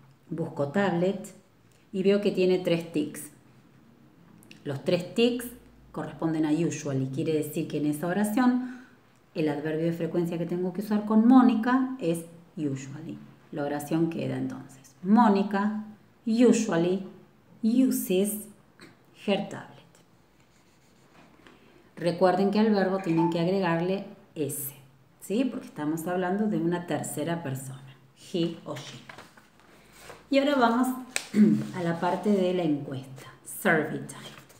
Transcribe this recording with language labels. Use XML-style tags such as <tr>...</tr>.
<es>Busco tablet. Y veo que tiene tres ticks. Los tres ticks corresponden a usually. Quiere decir que en esa oración el adverbio de frecuencia que tengo que usar con Mónica es usually. La oración queda entonces.</es> <en>Mónica usually uses her tablet.</en> <es>Recuerden que al verbo tienen que agregarle s, ¿sí? Porque estamos hablando de una tercera persona, he o she. Y ahora vamos a la parte de la encuesta, survey time.</es>